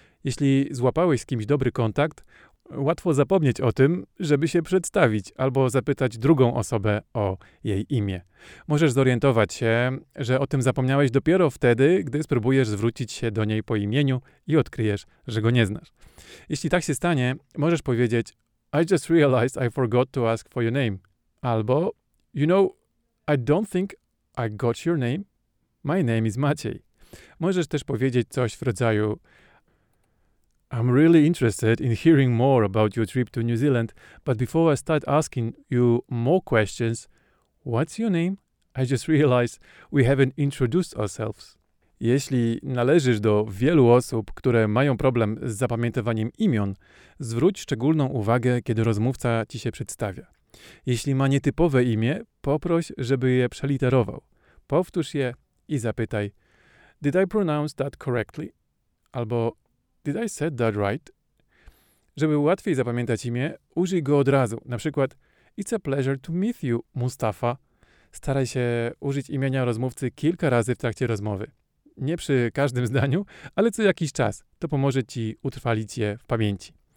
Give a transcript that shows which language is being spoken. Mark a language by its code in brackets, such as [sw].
[pl] Jeśli złapałeś z kimś dobry kontakt, łatwo zapomnieć o tym, żeby się przedstawić albo zapytać drugą osobę o jej imię. Możesz zorientować się, że o tym zapomniałeś dopiero wtedy, gdy spróbujesz zwrócić się do niej po imieniu i odkryjesz, że go nie znasz. Jeśli tak się stanie, możesz powiedzieć [en] I just realized I forgot to ask for your name. [pl] Albo [en] You know, I don't think I got your name. My name is Maciej. [pl] Możesz też powiedzieć coś w rodzaju [en] I'm really interested in hearing more about your trip to New Zealand, but before I start asking you more questions, what's your name? I just realized we haven't introduced ourselves. [pl] Jeśli należysz do wielu osób, które mają problem z zapamiętywaniem imion, zwróć szczególną uwagę, kiedy rozmówca ci się przedstawia. Jeśli ma nietypowe imię, poproś, żeby je przeliterował. Powtórz je i zapytaj, [en] Did I pronounce that correctly? [pl] Albo [en] Did I say that right? [pl] Żeby łatwiej zapamiętać imię, użyj go od razu. Na przykład, [en] It's a pleasure to meet you, [pl] Mustafa. Staraj się użyć imienia rozmówcy kilka razy w trakcie rozmowy. Nie przy każdym zdaniu, ale co jakiś czas. To pomoże ci utrwalić je w pamięci.